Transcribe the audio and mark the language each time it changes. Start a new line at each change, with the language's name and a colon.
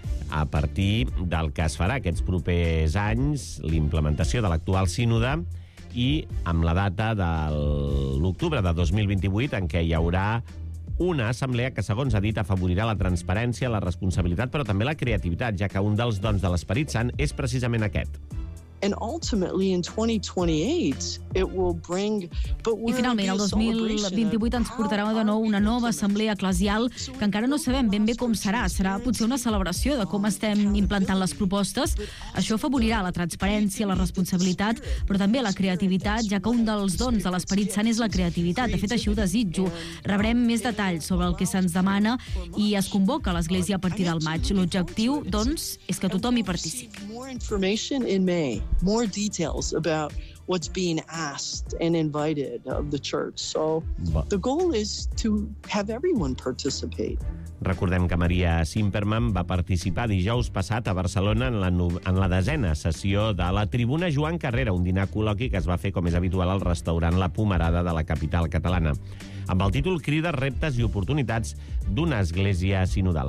Catalan: a partir del que es farà aquests propers anys, l'implementació de l'actual sínode, i amb la data de l'octubre de 2028, en què hi haurà una assemblea que, segons ha dit, afavorirà la transparència, la responsabilitat, però també la creativitat, ja que un dels dons de l'Esperit Sant és precisament aquest.
English: And ultimately in 2028 it will bring
Catalan: I finalment el 2028 ens portarà de nou una nova assemblea eclesial que encara no sabem ben bé com serà. Serà potser una celebració de com estem implantant les propostes. Això afavorirà la transparència, la responsabilitat, però també la creativitat, ja que un dels dons de l'Esperit Sant és la creativitat. De fet, així ho desitjo. Rebrem més detalls sobre el que se'ns demana i es convoca l'Església a partir del maig. L'objectiu, doncs, és que tothom hi participi.
English: More details about what's being asked and invited of the church. So the goal is to have everyone participate.
Catalan: Recordem que Maria Zimmermann va participar dijous passat a Barcelona en la desena sessió de la Tribuna Joan Carrera, un dinar col·loqui que es va fer, com és habitual, al restaurant La Pomerada de la capital catalana. Amb el títol Crida, reptes i oportunitats d'una església sinodal.